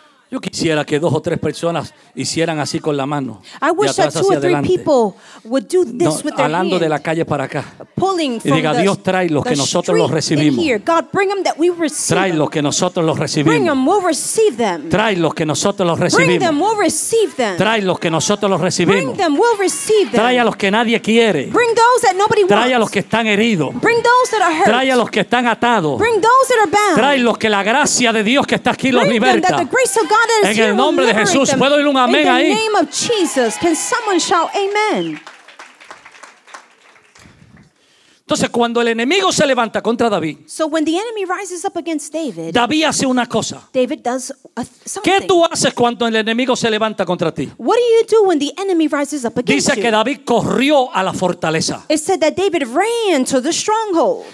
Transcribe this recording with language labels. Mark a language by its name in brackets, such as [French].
[Spanish] Yo quisiera que dos o tres personas hicieran así con la mano. [English] I wish that two or three people would do this with their hand. [Spanish] De la calle para acá. [English] Pulling from [Spanish] y diga, Dios trae los que nosotros los recibimos. [English] God, bring them that we receive. [Spanish] Trae los que nosotros los recibimos. Trae los que nosotros los recibimos. [English] Bring them, we'll receive them. [Spanish] Trae los que nosotros los recibimos. [English] Bring them, we'll receive them. [Spanish] Trae a los que nadie quiere. [English] Bring those that nobody wants. [Spanish] Trae a los que están heridos. [English] Bring those that are hurt. [Spanish] Trae a los que están atados. [English] Bring those that are bound. [Spanish] Trae los que la gracia de Dios que está aquí los liberta. En el nombre de Jesús, [English] them. [Spanish] ¿Puedo oír un amén ahí? [English] In the name of Jesus, can someone shout amen? [Spanish] Entonces, cuando el enemigo se levanta contra David, [English] so when the enemy rises up against David, [Spanish] David hace una cosa. [English] David does something. [Spanish] ¿Qué tú haces cuando el enemigo se levanta contra ti? [English] What do you do when the enemy rises up against you? [Spanish] Dice que David corrió a la fortaleza. [English] It said that David ran to the stronghold.